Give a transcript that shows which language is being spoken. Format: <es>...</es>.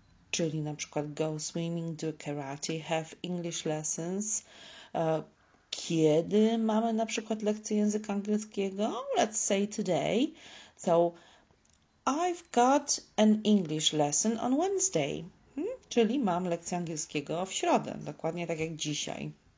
<pl>Czyli na przykład</pl> <en>go swimming, do karate, have English lessons.</en> <pl>Kiedy mamy na przykład lekcję języka angielskiego?</pl> <en>Let's say today. So, I've got an English lesson on Wednesday.</en> <pl>Czyli mam lekcję angielskiego w środę, dokładnie tak jak dzisiaj.</pl>